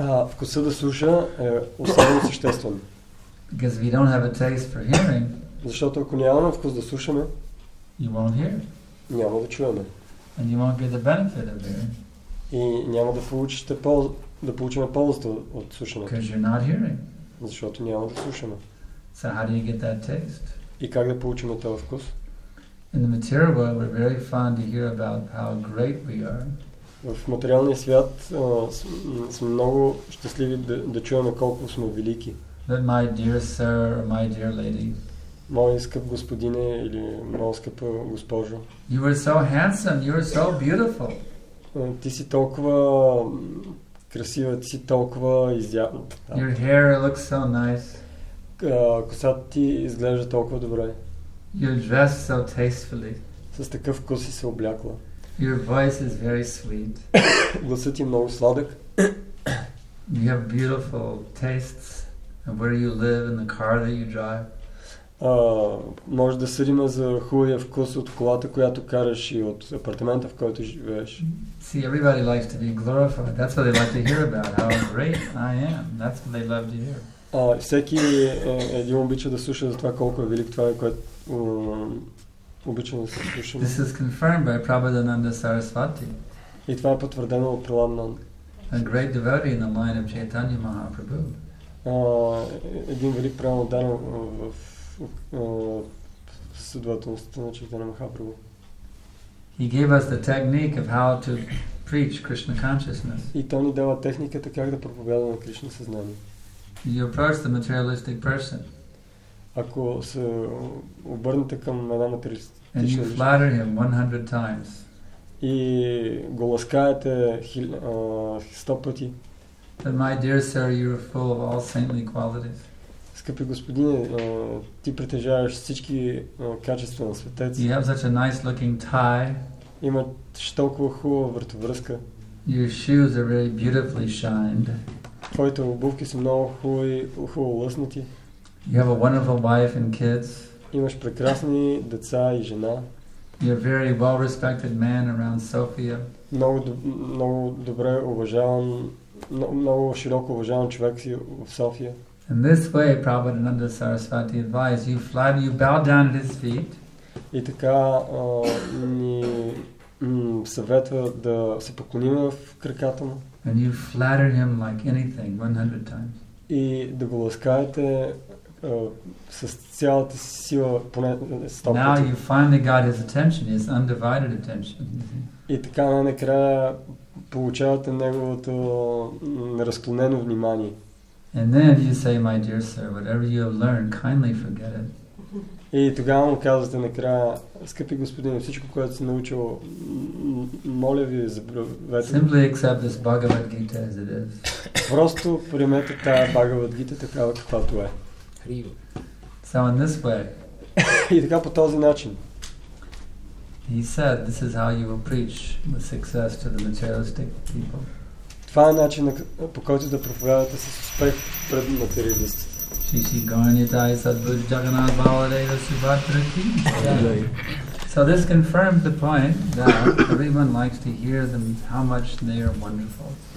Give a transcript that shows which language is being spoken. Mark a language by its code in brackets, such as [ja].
[bg] Вкуса да слуша е особено съществен. Защото ако нямаме вкус да слушаме, няма да чуваме. [en] And you won't get the benefit of hearing. [bg] И няма да получите получим ползата от слушането. [en] Because you're not hearing. [bg] Защото няма да слушаме. [en] So how do you get that taste? [bg] И как да получим този вкус? [en] In the material world, we're very fond to hear about how great we are. [bg] В материалния свят сме много щастливи да чуваме колко сме велики. [en] That my dear sir, my dear lady. [bg] Мой скъп господине или моя скъпа госпожо. [en] You are so handsome, you are so beautiful. [bg] Ти си толкова красива, ти си толкова изявна. [en] Your hair looks so nice. [bg] Косата ти изглежда толкова добре. [en] You're dressed so tastefully. [bg] С такъв вкус си се облякла. [en] Your voice is very sweet. [bg] Гласът ти е много сладък. [en] You have beautiful tastes and where you live and the car that you drive. [bg] Може да съдим за хубавия вкус от колата, която караш и от апартамента, в който живееш. [en] See, everybody likes to be glorified. That's what they like to hear about. How great I am. That's what they love to hear. [bg] Всеки един обича да слуша за това колко е велик това, което обичам да се слушам. [en] This is confirmed by Prabhupada Saraswati. [bg] И това е потвърдено от Прабхупада. [en] A great devotee in the mind of Chaitanya Mahaprabhu. [bg] Един велик Прабхупада в последователността на Чайтанья Махапрабху. [en] He gave us the technique of how to preach Krishna consciousness. [bg] И той ни дава техниката как да проповядваме Кришна съзнание. [en] You approach the materialistic person. [bg] Ако се обърнете към една материалистична личност. [en] And you flatter him 100 times. [bg] И го ласкаете 100 пъти. [en] But my dear sir, you are full of all saintly qualities. [bg] Скъпи господине, ти притежаваш всички качества на светец. [en] You have such a nice looking tie. [bg] Имаш толкова хубава вратовръзка. [en] Your shoes are really beautifully shined. [bg] Твоите обувки са много хубаво лъснати. [en] You have a wonderful wife and kids. [bg] Имаш прекрасни деца и жена. [en] You're a very well respected man around Sofia. [bg] Много, много добре уважаван, много широко уважаван човек си в София. [en] In this way, Prabhupada Sarasvati advised, you flatter, you bow down at his feet. [bg] И така ни съветва да се поклоним в краката му. [en] And you flatter him like anything, 100 times. [bg] И да го ласкаете с цялата сила поне 100 пъти. [en] Now you finally got his attention, his undivided attention. [bg] И така накрая получавате неговото неразклонено внимание. [en] And then you say, my dear sir, whatever you have learned, kindly forget it. [bg] И тогава му казвате накрая, скъпи господин, всичко, което си научил, моля ви, забравете. [en] Simply accept this Bhagavad Gita as it is. [bg] Просто приемете тая Bhagavad Gita такава, каквато е. [en] So in this way. [bg] И така по този начин. [en] He said, this is how you will preach the success to the materialistic people. [bg] Това е начинът по който да проповядвате с успех пред материалистите. [sa] Шиши Ганитай Садбуджи Джаганат Баладева Субхатрати. [en] So this confirms the point that everyone likes to hear them how much they are wonderful.